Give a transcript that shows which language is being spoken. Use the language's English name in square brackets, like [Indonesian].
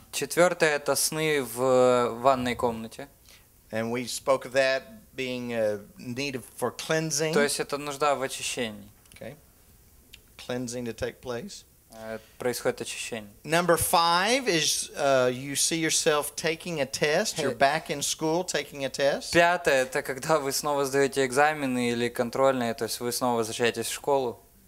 [Russian] Четвертое это сны в ванной комнате. [English] And we spoke of that being need for cleansing. [Russian] То есть это нужда в очищении. [English] Okay. Cleansing to take place. [Russian] Происходит очищение. [English] Number five is you see yourself taking a test. You're back in school taking a test. [Russian] Пятое это когда вы снова сдаете экзамены или контрольные, то есть вы снова возвращаетесь в школу.